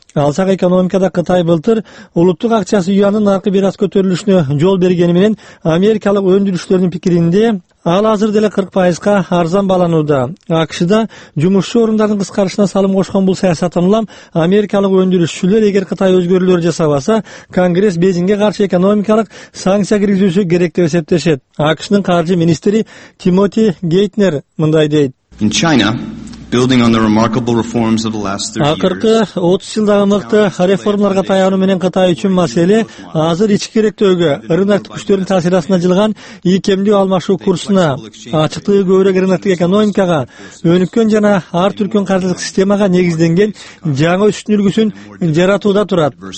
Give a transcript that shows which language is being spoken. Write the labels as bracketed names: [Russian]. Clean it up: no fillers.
[Kyrgyz] Алсак экономикада Кытай былтыр улуттук акчасы юандын наркы бир аз көтөрүлүшүнө жол бергени менен америкалык өндүрүүчүлөрдүн пикиринде ал азыр деле 40% арзан баланууда. АКШда жумушчу орундардын кыскарышына салым кошкон бул саясаттан улам америкалык өндүрүүчүлөр эгер Кытай өзгөрүүлөр жасабаса Конгресс Бээжинге каршы экономикалык санкция киргизүүсү керек деп эсептешет. АКШнын каржы министри Тимоти Гейтнер мындай дейт. [English] In China, building on the remarkable reforms of the last 30 years. [Kyrgyz] Акыркы 30 жылдагы мыкты реформаларга таянуу менен Кытай үчүн маселе азыр ички керектөөгө, рыноктук күчтөрдүн таасири астына жылган ийкемдүү алмашуу курсуна, ачыктыгы көбүрөөк рыноктук экономикага, өнүккөн жана ар түркөн каржылык системага негизделген жаңы үстүн үлгүсүн жаратууда турат.